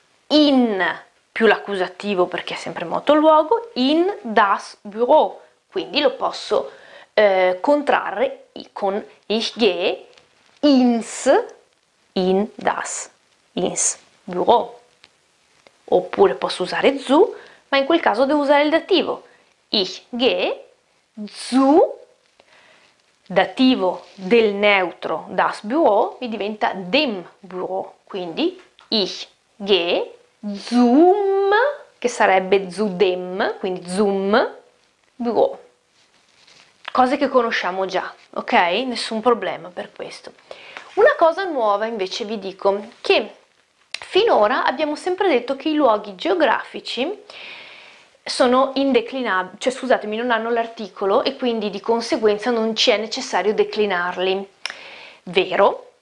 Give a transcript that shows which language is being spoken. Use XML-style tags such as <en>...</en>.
<it>In più l'accusativo perché è sempre moto luogo,</it> <de>in das Büro.</de> <it>Quindi lo posso contrarre con</it> <de>ich gehe ins, in das, ins Büro.</de> <it>Oppure posso usare zu, ma in quel caso devo usare il dativo.</it> <de>Ich gehe zu,</de> <it>dativo del neutro</it> <de>das Büro,</de> <it>mi diventa</it> <de>dem Büro.</de> <it>Quindi</it> <de>ich gehe.</de> <it>Zoom, che sarebbe zudem, quindi zoom, duo. Cose che conosciamo già, ok? Nessun problema per questo. Una cosa nuova invece vi dico, che finora abbiamo sempre detto che i luoghi geografici sono indeclinabili, cioè scusatemi, non hanno l'articolo e quindi di conseguenza non ci è necessario declinarli. Vero?</it>